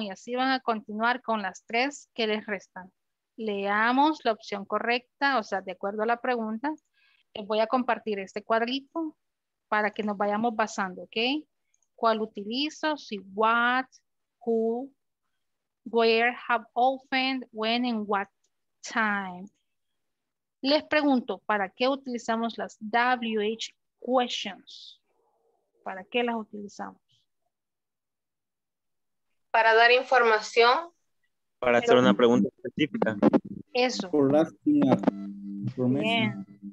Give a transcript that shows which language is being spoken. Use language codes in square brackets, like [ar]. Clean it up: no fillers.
[es] Y así van a continuar con las tres que les restan. Leamos la opción correcta, o sea, de acuerdo a la pregunta. Les voy a compartir este cuadrito para que nos vayamos basando, ¿ok? ¿Cuál utilizo? [en] Si what, who, where, how often, when and what time. [es] Les pregunto, ¿para qué utilizamos las WH questions? ¿Para qué las utilizamos? Para dar información. Para hacer una pregunta específica. Eso. [en] For asking information.